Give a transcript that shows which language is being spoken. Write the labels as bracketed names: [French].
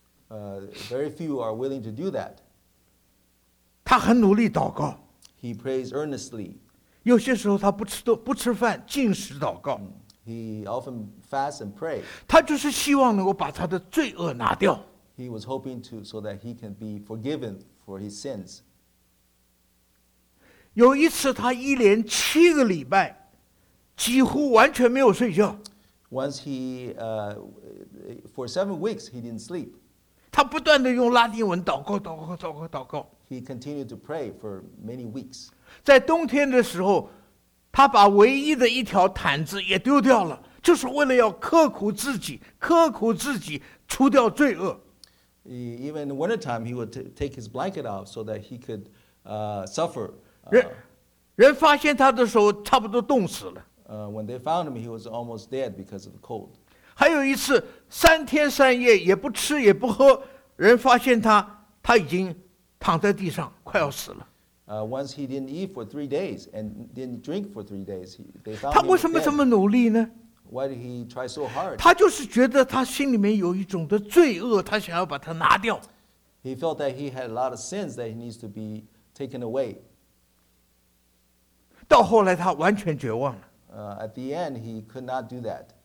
[English] Very few are willing to do that. [Chinese] 他很努力祷告。 [English] He prays earnestly. [Chinese] 有些时候他不吃饭，禁食祷告。 [English] He often fasts and prays. [Chinese] 他就是希望能够把他的罪恶拿掉。 [English] He was hoping to so that he can be forgiven for his sins. [Chinese] 有一次，他一连7个礼拜，几乎完全没有睡觉。 [English] Once he for 7 weeks he didn't sleep. [Chinese] 他不断的用拉丁文祷告，祷告，祷告，祷告。 [English] He continued to pray for many weeks. [Chinese] 在冬天的时候。他把唯一的一条毯子也丢掉了，就是为了要刻苦自己，刻苦自己除掉罪恶。 [English] Even in winter time, he would take his blanket off so that he could suffer. [Chinese] 人发现他的时候，差不多冻死了。 [English] When they found him, he was almost dead because of the cold. [Chinese] 还有一次，3天3夜也不吃也不喝，人发现他已经躺在地上，快要死了。 [English] Once he didn't eat for 3 days and didn't drink for 3 days, they found. [Chinese] 他为什么这么努力呢？ [English] Why did he try so hard? [Chinese] 他就是觉得他心里面有一种的罪恶，他想要把它拿掉。 [English] He felt that he had a lot of sins that he needs to be taken away. [Chinese] 到后来他完全绝望了。 [English] At the end, he could not do that.